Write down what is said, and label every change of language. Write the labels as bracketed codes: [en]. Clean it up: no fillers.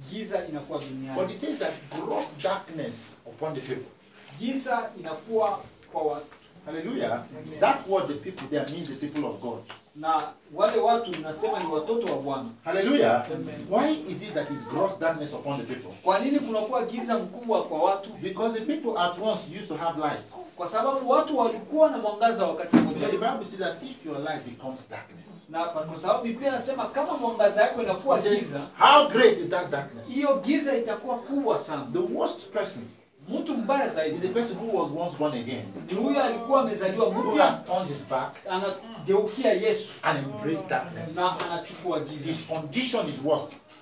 [sw] Giza inakuwa duniani. [en] But it says that gross darkness upon the people. [sw] Giza inakuwa kwa watu. [en] Hallelujah. That word the people there means the people of God. [sw] Na wale watu ninasema ni watoto wa Bwana. [en] Hallelujah. Amen. Why is it that is gross darkness upon the people? [sw] Kwa nini kunakuwa giza mkubwa kwa watu? [en] Because the people at once used to have light. [sw] Kwa sababu watu walikuwa na mwangaza wakati mmoja. [en] The Bible says that if your light becomes darkness. [sw] Na kwa sababu Biblia inasema kama mwangaza yako inakuwa giza. [en] How great is that darkness? [sw] Hiyo giza itakuwa kubwa sana. [en] The worst person. [sw] Mtu mbaya zaidi. [en] Is a person who was once born again. [sw] Ni huyo alikuwa amezaliwa mpya. [en] Who has turned his back. [sw] Anageukia Yesu. [en] And embraced darkness. [sw] Na anachukua giza. [en] His condition is worse.